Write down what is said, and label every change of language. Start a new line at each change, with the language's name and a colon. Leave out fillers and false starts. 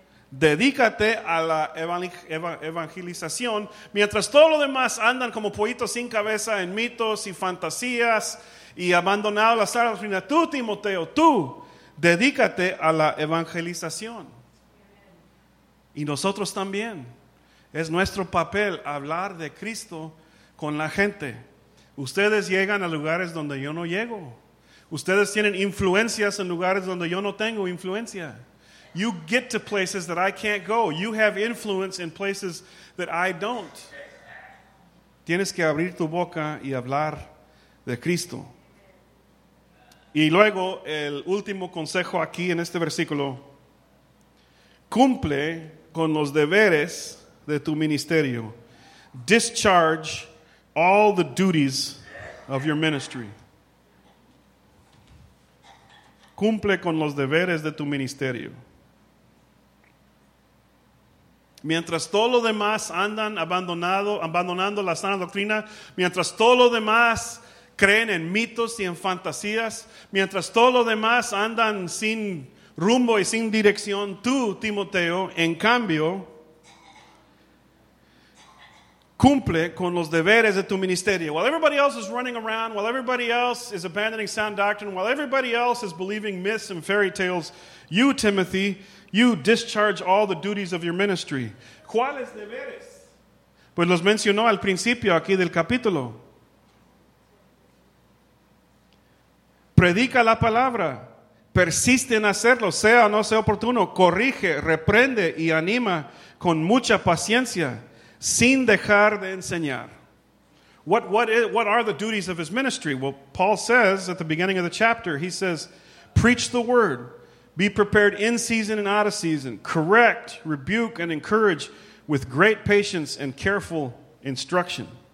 Spanish: Dedícate a la evangelización mientras todo lo demás andan como pollitos sin cabeza en mitos y fantasías y abandonado la sala de la tú, Timoteo, tú, dedícate a la evangelización. Y nosotros también. Es nuestro papel hablar de Cristo con la gente. Ustedes llegan a lugares donde yo no llego. Ustedes tienen influencias en lugares donde yo no tengo influencia.
English: You get to places that I can't go. You have influence in places that I don't.
Spanish: Tienes que abrir tu boca y hablar de Cristo. Y luego, el último consejo aquí en este versículo. Cumple con los deberes de tu ministerio.
English: Discharge all the duties of your ministry.
Spanish: Cumple con los deberes de tu ministerio. Mientras todo lo demás andan abandonando la sana doctrina, mientras todo lo demás creen en mitos y en fantasías, mientras todo lo demás andan sin rumbo y sin dirección, tú, Timoteo, en cambio, cumple con los deberes de tu ministerio.
English: While everybody else is running around, while everybody else is abandoning sound doctrine, while everybody else is believing myths and fairy tales, you, Timothy, you discharge all the duties of your ministry.
Spanish: ¿Cuáles deberes? Pues los mencionó al principio aquí del capítulo. Predica la palabra. Persiste en hacerlo, sea o no sea oportuno. Corrige, reprende y anima con mucha paciencia, sin dejar de enseñar.
English: What are the duties of his ministry? Well, Paul says at the beginning of the chapter, he says, preach the word. Be prepared in season and out of season. Correct, rebuke, and encourage with great patience and careful instruction.